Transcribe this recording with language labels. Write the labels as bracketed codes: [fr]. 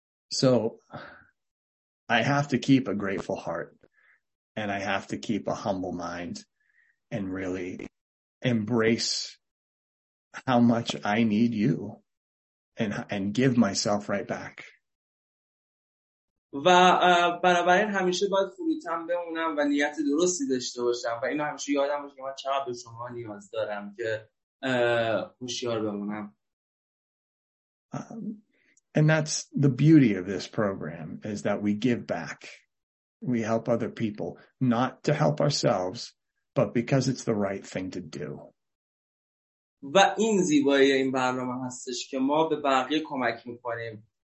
[en] So I have to keep a grateful heart and I have to keep a humble mind and really embrace how much I need you and give myself right back. [fa] و بنابراین همیشه باید فروتن بمونم و نیت درستی داشته باشم و اینو همیشه یادم باشه که من چقدر به شما نیاز دارم که هوشیار بمونم. [en] And that's the beauty of this program is that we give back. We help other people, not to help ourselves, but because it's the right thing to do. [fa] و این زیبایی این برنامه هستش که ما به بقیه کمک میکنیم.